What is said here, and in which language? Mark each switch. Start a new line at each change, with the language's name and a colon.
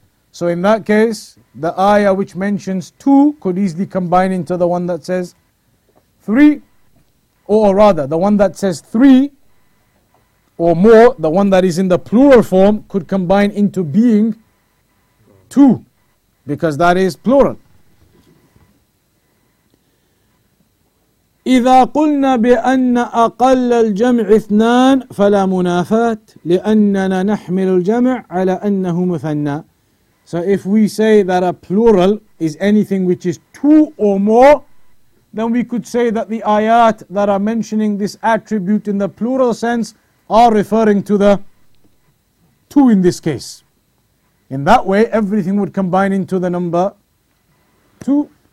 English: So in that case, the ayah which mentions two could easily combine into the one that says three. Or rather, the one that says three or more, the one that is in the plural form, could combine into being two, because that is plural.
Arabic: إذا قلنا بأن أقل الجمع اثنان فلا منافات لأننا نحمل الجمع على أنه مثنى.
English: So if we say that a plural is anything which is two or more, then we could say that the ayat that are mentioning this attribute in the plural sense are referring to the two in this case. In that way, everything would combine into the number two.